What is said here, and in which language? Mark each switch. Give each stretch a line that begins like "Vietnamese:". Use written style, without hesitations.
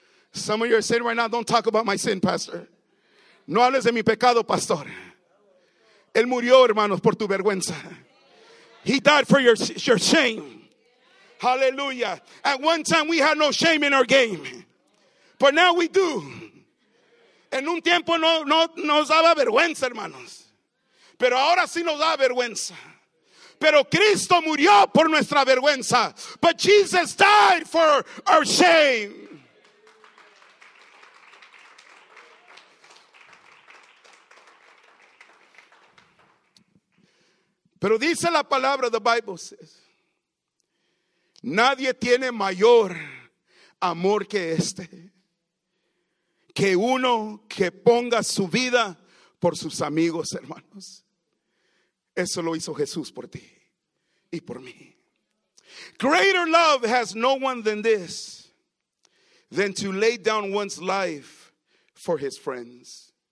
English: Some of you are saying right now, don't talk about my sin, pastor.
Spanish: No hables de mi pecado, pastor. Él murió, hermanos, por tu vergüenza.
English: He died for your shame. Hallelujah. At one time, we had no shame in our game. But now we do.
Spanish: En un tiempo no nos daba vergüenza, hermanos. Pero ahora sí nos da vergüenza. Pero Cristo murió por nuestra vergüenza.
English: But Jesus died for our shame.
Spanish: Pero dice la palabra,
English: the Bible says,
Spanish: nadie tiene mayor amor que este, que uno que ponga su vida por sus amigos, hermanos. Eso lo hizo Jesús por ti y por mí.
English: Greater love has no one than this, than to lay down one's life for his friends.